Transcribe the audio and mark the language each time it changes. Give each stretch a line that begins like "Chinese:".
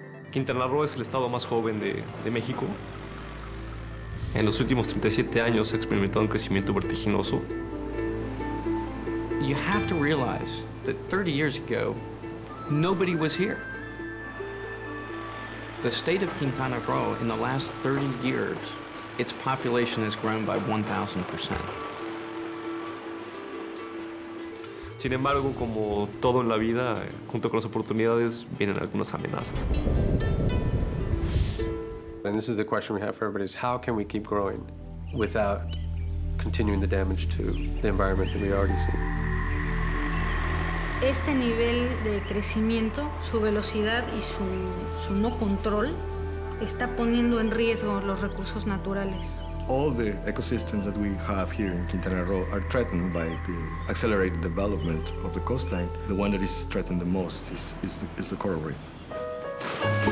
Spanish: Quintana Roo es el estado más joven de México. En los últimos 37 años ha experimentado un crecimiento vertiginoso.
English: You have to realize that 30 years ago, nobody was here. The state of Quintana Roo, in the last 30 years, its population has grown by 1,000%.
Spanish: Sin embargo, como todo en la vida, junto con las oportunidades, vienen algunas amenazas.
English: And this is the question we have for everybody, is how can we keep growing without continuing the damage to the environment that we already see?
Spanish: Este nivel de crecimiento, su velocidad y su no control, está poniendo en riesgo los recursos naturales.
English: All the ecosystems that we have here in Quintana Roo are threatened by the accelerated development of the coastline. The one that is threatened the most is the coral reef.